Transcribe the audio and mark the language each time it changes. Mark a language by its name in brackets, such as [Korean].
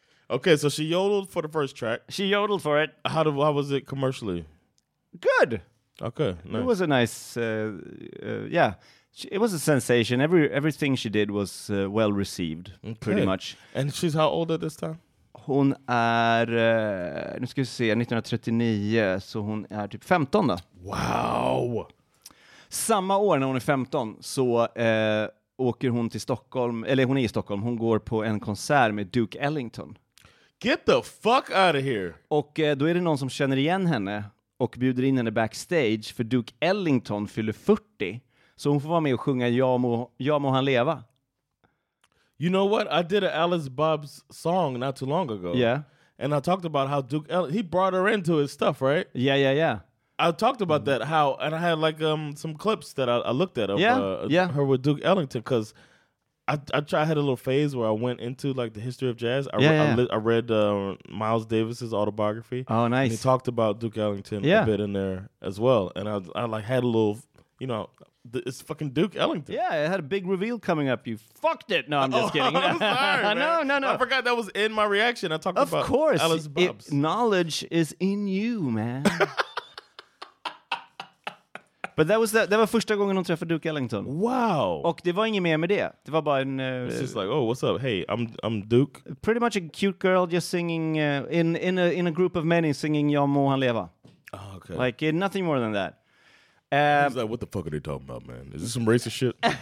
[English] Okay, so she yodeled for the first track. She yodeled for it. How was it commercially? Good. Okay, nice. It was a nice, it was a sensation. Everything she did was well received, okay. Pretty much. And she's how old at this time? [Swedish] Hon är, nu ska vi se, 1939, så hon är typ 15 då. [English] Wow! [Swedish] Samma år när hon är 15 så åker hon till Stockholm, eller hon är i Stockholm, hon går på en konsert med Duke Ellington. [English] Get the fuck out of here. [Swedish] Och då är det någon som känner igen henne och bjuder in henne backstage för Duke Ellington fyller 40. Så hon får vara med och sjunga Jag må han leva. [English] You know what? I did an Alice Bob's song not too long ago. Yeah. And I talked about how Duke Ellington, he brought her into his stuff, right? Yeah. I talked about that, how, and I had like some clips that I looked at of her with Duke Ellington because... I had a little phase where I went into like the history of jazz. I read Miles Davis's autobiography. Oh, nice! And he talked about Duke Ellington a bit in there as well. And I like had a little, you know, it's fucking Duke Ellington. Yeah, it had a big reveal coming up. You fucked it. No, I'm just kidding. I'm sorry. No. I forgot that was in my reaction. I talked about Alice Bubbs. Knowledge is in you, man. But that [Swedish] var första gången hon träffade Duke Ellington. [English] Wow. [Swedish] Och det var inget mer med det. Det var bara en... [English] It's just like, oh, what's up? Hey, I'm Duke. Pretty much a cute girl just singing in a group of men singing Jag må han leva. Oh, okay. Like, nothing more than that. He's like, what the fuck are they talking about, man? Is this some racist shit?